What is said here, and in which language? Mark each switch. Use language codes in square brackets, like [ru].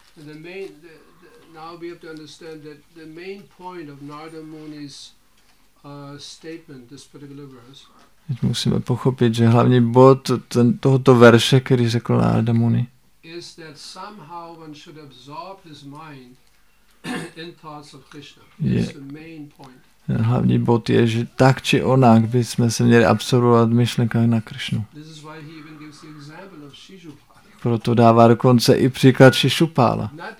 [en] Now we have to understand that the main point of Narada Muni's statement, this particular verse. [cs] Teď musíme pochopit, že hlavní bod tohoto verše, který řekl Narada Muni, [en] is that somehow one should absorb his mind in thoughts of Krishna. That's the main point. [cs] Hlavní bod je, že tak či onak bychom se měli absorbovat myšlenky na Krishnu. [en] This is why he even gives the example of Shishupala. [cs] Proto dává dokonce i příklad Šišupála.